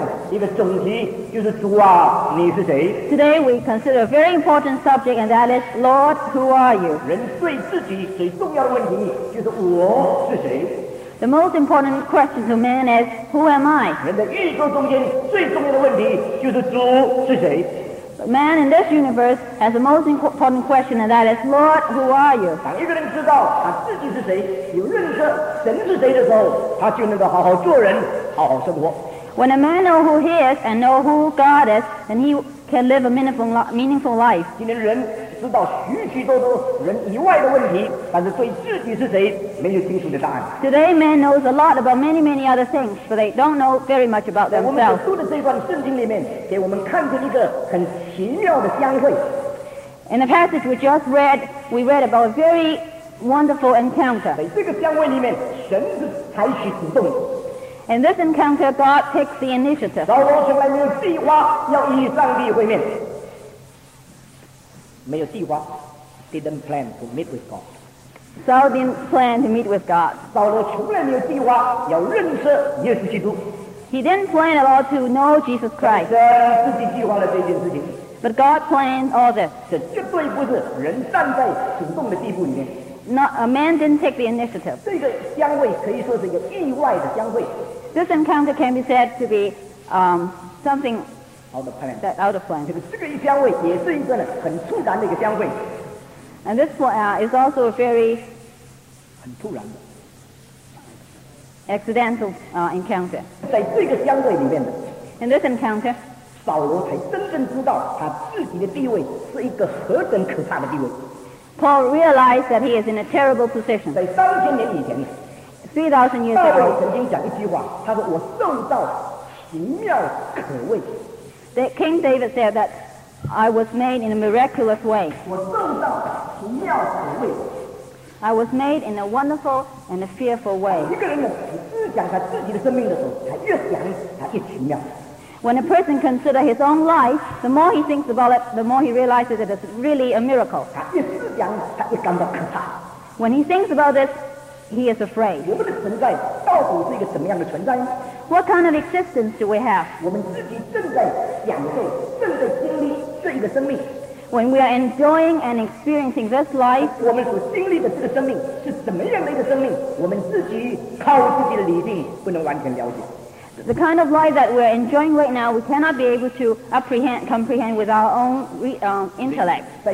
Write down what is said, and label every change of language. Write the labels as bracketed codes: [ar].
[zh] 一个总题就是主啊，你是谁 [en] ？Today we consider a very important subject, and that is, Lord, who are you? [zh] 人对自己最重要的问题就是我是谁 [en] ？The most important question to man is, who am I? [zh] 人的宇宙中间最重要的问题就是主是谁 [en] ？But man in this universe has the most important question, and that is, Lord, who are you? [zh] 当一个人知道他自己是谁，有认识神是谁的时候，他就能够好好做人，好好生活。 [en] When a man knows who he is and knows who God is, then he can live a meaningful life. [zh] 今天人知道许许多多人以外的问题，但是对自己是谁没有清楚的答案。 [en] Today, man knows a lot about many, many other things, but they don't know very much about themselves. [zh] 在我们所读的这段圣经里面，给我们看见一个很奇妙的相会。 [en] In the passage we just read, we read about a very wonderful encounter. [zh] 在这个相会里面，神是采取主动。 [en] In this encounter, God takes the initiative. [zh] 扫罗从来没有计划要与上帝会面，没有计划 ， [en] didn't plan to meet with God. Saul didn't plan to meet with God. [zh] 扫罗从来没有计划要认识耶稣基督。 [en] He didn't plan at all to know Jesus Christ. [zh] 神自己计划了这件事情。 [en] But God planned all this. [zh] 这绝对不是人站在主动的地步里面。 [en] Not a man didn't take the initiative. [zh] 这个相会可以说是一个意外的相会。 [en] This encounter can be said to be something out of plan. That out of plan. [zh] 这个相会也是一个很突然的一个相会。 [en] And this one is also a very [zh] 很突然的 [en] accidental encounter. [zh] 在这个相会里面的 [en] In this encounter, [zh] 扫罗才真正知道他自己的地位是一个何等可怕的地位。 [en] Paul realized that he is in a terrible position. [zh] 在3000年以前 [en] 3000 years ago, [zh] 大卫曾经讲一句话，他说：“我受到奇妙可畏。” [en] The King David said that I was made in a miraculous way. [zh] 我受到奇妙可畏。 [en] I was made in a wonderful and a fearful way. [zh] 一个人呢，越讲他自己的生命的时候，他越想他越奇妙。 [en] When a person considers his own life, the more he thinks about it, the more he realizes it is really a miracle. [zh] 他越思想，他越感到可怕。 [en] When he thinks about this, he is afraid. [zh] 我们的存在到底是一个什么样的存在呢？ [en] What kind of existence do we have? When we are enjoying and experiencing this life, the kind of life that we're enjoying right now, we cannot be able to comprehend with our own intellect.